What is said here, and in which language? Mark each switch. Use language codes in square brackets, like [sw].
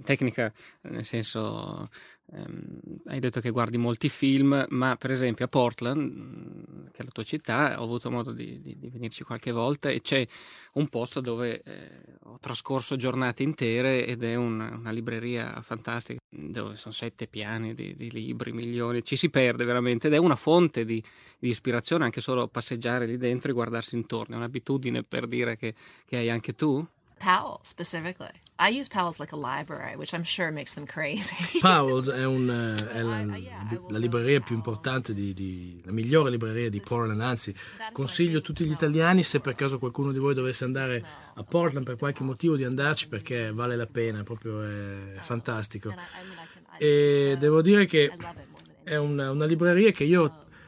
[it] Tecnica nel senso, hai detto che guardi molti film, ma per esempio a Portland, che è la tua città, ho avuto modo di venirci qualche volta e c'è un posto dove ho trascorso giornate intere ed è una libreria fantastica dove sono 7 piani di libri, milioni, ci si perde veramente ed è una fonte di ispirazione anche solo passeggiare lì dentro e guardarsi intorno. È un'abitudine, per dire, che hai anche tu? [en] Powell, specifically. I use Powell's like a library, which I'm sure makes them crazy. [it] Powell's la libreria più importante la migliore libreria di Portland. Anzi, consiglio tutti gli italiani, se per caso qualcuno di voi dovesse andare a Portland per qualche motivo, di andarci, perché vale la pena, proprio è fantastico. E devo dire che è una libreria che io